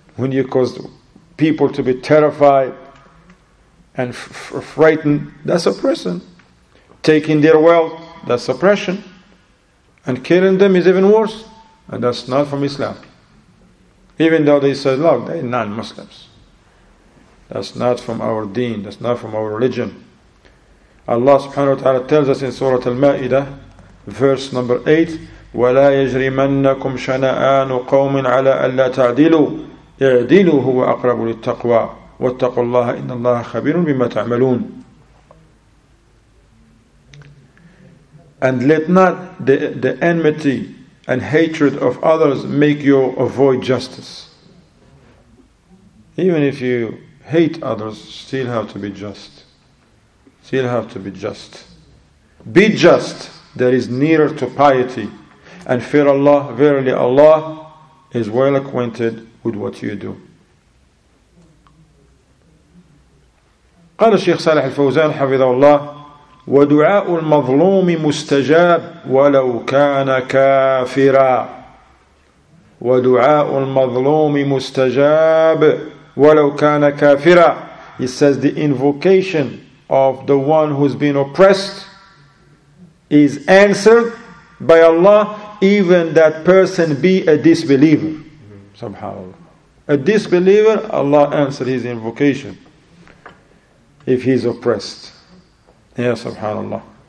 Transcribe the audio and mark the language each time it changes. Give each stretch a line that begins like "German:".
English: When you cause people to be terrified and frightened, that's oppression. Taking their wealth, that's oppression. And killing them is even worse. And that's not from Islam. Even though they say, look, they're non-Muslims. That's not from our deen, that's not from our religion. Allah subhanahu wa ta'ala tells us in Surah Al-Ma'idah, verse number 8,
Arabic: وَلَا يَجْرِمَنَّكُمْ شَنَآنُ قَوْمٍ عَلَىٰ أَلَّا تَعْدِلُوا اعدلوا هو أقرب للتقوى واتقوا الله إن الله خبير بما تعملون.
English: And let not the enmity and hatred of others make you avoid justice. Even if you hate others, still have to be just. Still have to be just. Be just. That is nearer to piety. And fear Allah. Verily Allah is well acquainted with what you do.
Arabic: قال الشيخ صالح الفوزان حفظه الله ودعاء المظلوم مستجاب ولو كان كافرا ودعاء المظلوم مستجاب ولو كان كافرا.
English: He says the invocation of the one who's been oppressed is answered by Allah even that person be a disbeliever. Subhanallah. A disbeliever, Allah answered his invocation if he's oppressed. Yeah, subhanallah.